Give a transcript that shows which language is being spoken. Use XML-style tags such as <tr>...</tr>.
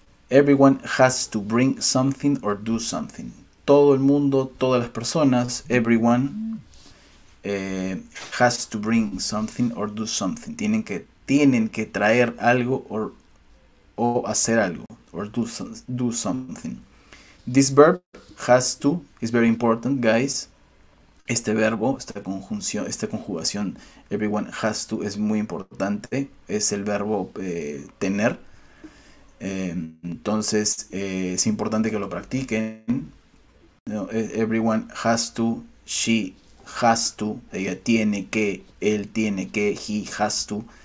<en>Everyone has to bring something or do something.</en> <es>Todo el mundo, todas las personas,</es> <en>everyone has to bring something or do something.</en> <es>Tienen que traer algo o hacer algo</es> <en>or do something. This verb has to is very important, guys.</en> <es>Este verbo, esta conjugación,</es> <en>everyone has to,</en> <es>es muy importante. Es el verbo tener. Entonces, es importante que lo practiquen.</es> <en>No, everyone has to, she has to,</en> <es>ella tiene que, él tiene que,</es> <en>he has to.</en>